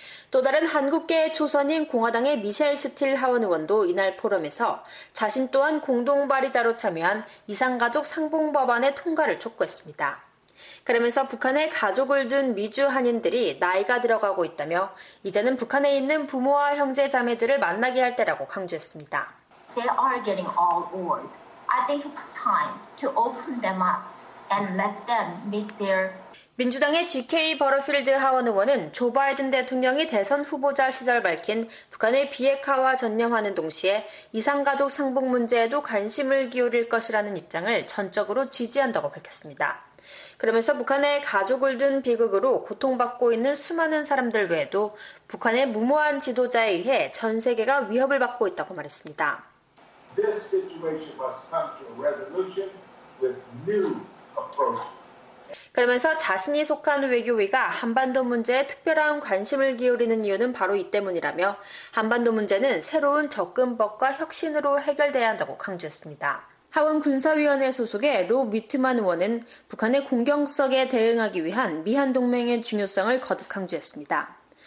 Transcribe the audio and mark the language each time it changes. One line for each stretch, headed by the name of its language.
Korean: 또 다른 한국계 초선인 공화당의 미셸 스틸 하원 의원도 이날 포럼에서 자신 또한 공동 발의자로 참여한 이산가족 상봉 법안의 통과를 촉구했습니다. 그러면서 북한에 가족을 둔 미주 한인들이 나이가 들어가고 있다며 이제는 북한에 있는 부모와 형제 자매들을 만나게 할 때라고 강조했습니다.
English: They are getting all old. I think it's time to open them up and let them meet their
Korean: 민주당의 GK 버러필드 하원 의원은 조 바이든 대통령이 대선 후보자 시절 밝힌 북한의 비핵화와 전념하는 동시에 이산가족 상봉 문제에도 관심을 기울일 것이라는 입장을 전적으로 지지한다고 밝혔습니다. 그러면서 북한의 가족을 둔 비극으로 고통받고 있는 수많은 사람들 외에도 북한의 무모한 지도자에 의해 전 세계가 위협을 받고 있다고 말했습니다.
English: This situation must come to a resolution with new approaches.
Korean: 그러면서 자신이 속한 외교위가 한반도 문제에 특별한 관심을 기울이는 이유는 바로 이 때문이라며 한반도 문제는 새로운 접근법과 혁신으로 해결돼야 한다고 강조했습니다. 하원 군사위원회 소속의 로 위트만 의원은 북한의 공격성에 대응하기 위한 미한동맹의 중요성을 거듭 강조했습니다.